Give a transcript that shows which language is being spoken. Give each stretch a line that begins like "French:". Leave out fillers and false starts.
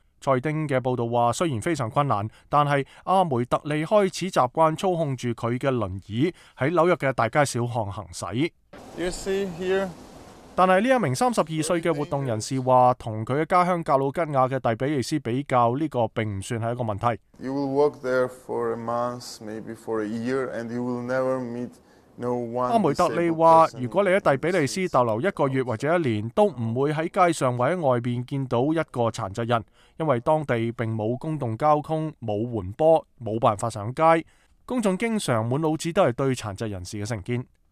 Chinese: 蔡尔丁的报道说，虽然非常困难，但是阿梅特利开始习惯操控着他的轮椅在纽约的大街小巷行驶。
English: You see here?
Chinese: 但是这一名32岁的活动人士说，和他的家乡格鲁吉亚的蒂比利斯比较，这个并不算是一个问题。
English: You will work there for a month, maybe for a year, and you will never meet...
Chinese: 阿梅特利说，如果你在蒂比利斯逗留一个月或者一年，都不会在街上或者外面见到一个残疾人，因为当地并没有公共交通，没有缓坡，没办法上街，公众经常满脑子都是对残疾人士的成见。